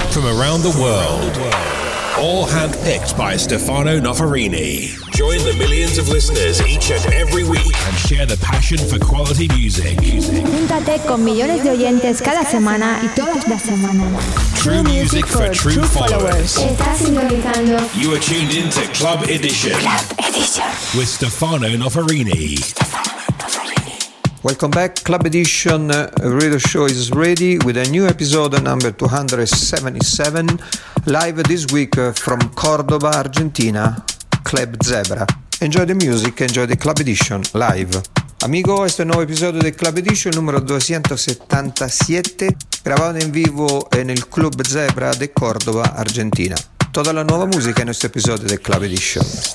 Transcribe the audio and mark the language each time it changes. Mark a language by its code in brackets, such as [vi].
[en] From around the world, all handpicked by Stefano Noferini. Join the millions of listeners each and every week and share the passion for quality music. [es] Júntate con millones de oyentes cada semana y todas las semanas. [en] True music for true followers. [es] Estás sintonizando. [en] You are tuned in to Club Edition. Club Edition. With Stefano Noferini. Welcome back. Club Edition radio show is ready with a new episode number 277. Live this week from Córdoba, Argentina. Club Zebra. Enjoy the music, enjoy the Club Edition live. [es] Amigo, este es un nuevo episodio de Club Edition número 277, grabado en vivo en el Club Zebra de Córdoba, Argentina. Toda la nueva música en este episodio de Club Edition.